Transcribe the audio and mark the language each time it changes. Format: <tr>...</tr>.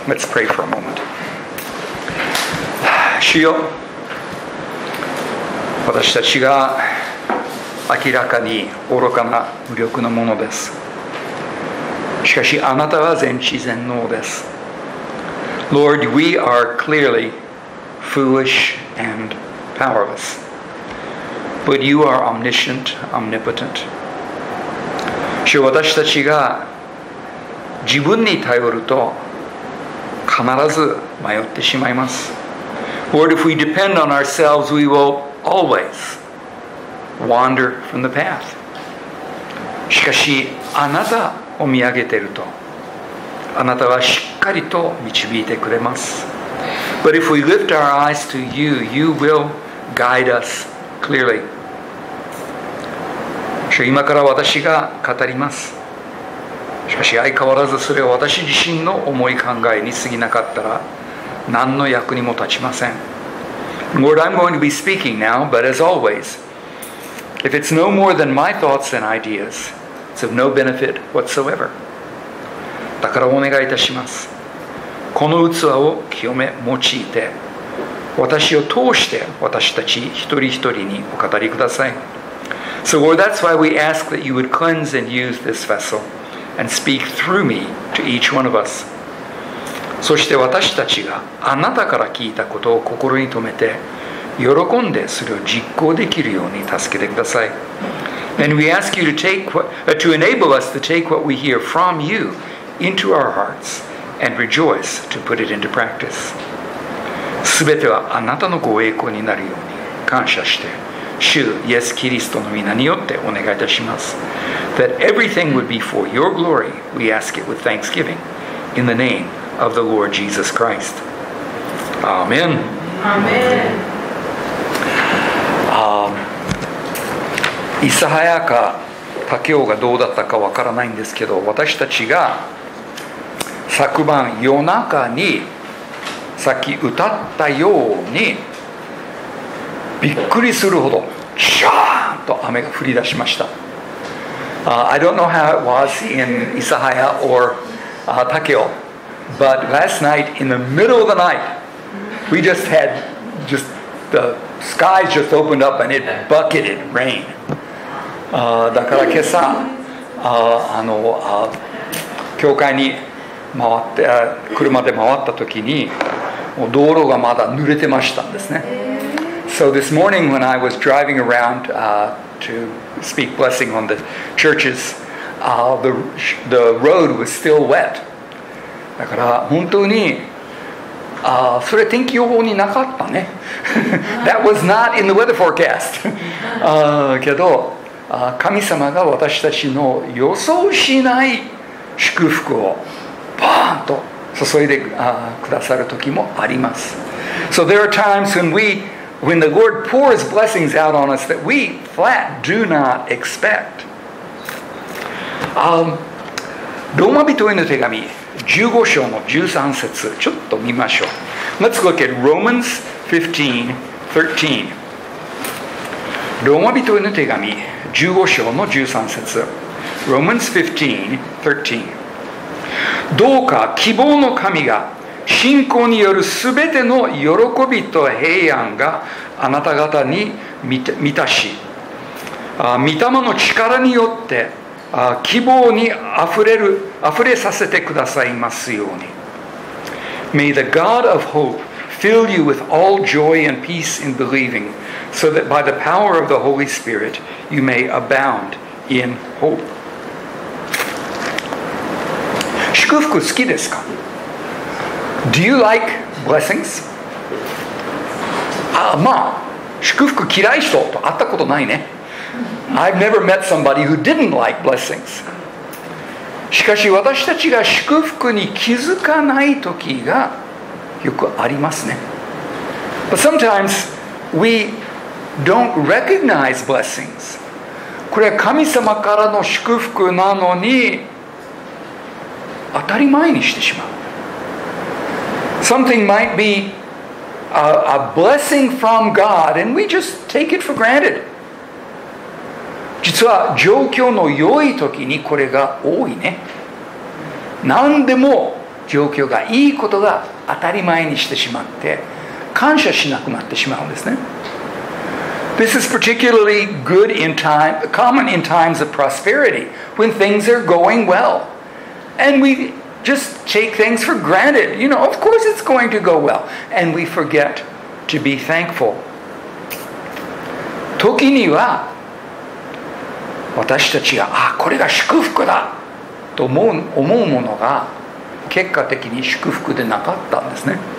<en>Let's pray for a moment。</en> <ja>主よ、私たちが明らかに愚かな無力なものです。しかしあなたは全知全能です。</ja> <en>Lord, we are clearly foolish and powerless, but you are omniscient, omnipotent。</en> <ja>主よ、私たちが自分に頼ると必ず迷ってしまいます。</ja> <en>Lord, if we depend on ourselves, we will always wander from the path。</en> <ja>しかしあなたを見上げているとあなたはしっかりと導いてくれます。</ja> <en>But if we lift our eyes to you, you will guide us clearly。</en> <ja>今から私が語ります。しかし相変わらずそれは私自身の思い考えに過ぎなかったら何の役にも立ちません。</ja> <en>Lord, I'm going to be speaking now, but as always, if it's no more than my thoughts and ideas, it's of no benefit whatsoever。</en> <ja>だからお願いいたします。この器を清め用いて私を通して私たち一人一人にお語りください。</ja> <en>So Lord, that's why we ask that you would cleanse and use this vessel and speak through me to each one of us。</en> <ja>そして私たちがあなたから聞いたことを心に留めて喜んでそれを実行できるように助けてください。</ja> <en>And we ask you to enable us to take what we hear from you into our hearts and rejoice to put it into practice。</en> <ja>すべてはあなたのご栄光になるように感謝して主イエスキリストの皆によってお願いいたします。</ja> <en>That everything would be for your glory, we ask it with thanksgiving, in the name of the Lord Jesus Christ. Amen. Amen.</en> <ja>イサハヤかタケオがどうだったかわからないんですけど、私たちが昨晩夜中にさっき歌ったようにびっくりするほどシャーンと雨が降り出しました。</ja> <en>I don't know how it was in Isahaya or Takeo, but last night in the middle of the night, we just had just the skies just opened up and it bucketed rain.</en> <ja>だから今朝、教会に回って、車で回った時に、もう道路がまだ濡れてましたんですね。</ja> <en>So this morning when I was driving around, to speak blessing on the churches, the road was still wet.</en> <ja>だから本当に、それ天気予報になかったね。</ja> <en>That was not in the weather forecast.</en> <ja>けど、神様が私たちの予想しない祝福をバーンと注いで、くださる時もあります。</ja> <en>So there are times when when the Lord pours blessings out on us that we flat do not expect.</en> <ja>ローマ人への手紙15章の13節ちょっと見ましょう。</ja> <en>Let's look at Romans 15:13。</en> <ja>ローマ人への手紙15章の13節</ja> <en>Romans 15:13。</en> <ja>どうか希望の神が信仰による全ての喜びと平安があなた方に満たし、御霊の力によって希望にあふれさせてくださいますように。</ja> <en>May the God of hope fill you with all joy and peace in believing, so that by the power of the Holy Spirit you may abound in hope.</en> <ja>祝福好きですか？</ja> <en>Do you like blessings?</en> <ja>まあ祝福嫌い人と会ったことないね。</ja> <en>I've never met somebody who didn't like blessings。</en> <ja>しかし私たちが祝福に気づかない時がよくありますね。</ja> <en>But sometimes we don't recognize blessings。</en> <ja>これは神様からの祝福なのに当たり前にしてしまう。</ja> <en>Something might beA blessing from God, and we just take it for granted.</en> <ja>実は状況の良い時にこれが多いね。何でも状況がいいことが当たり前にしてしまって感謝しなくなってしまうんですね。</ja> <en>This is particularly good in time, common in times of prosperity when things are going well. And we just take things for granted. You know, of course it's going to go well. And we forget to be thankful.</en> <ja>時には私たちが、あ、これが祝福だと思うものが結果的に祝福でなかったんですね。</ja>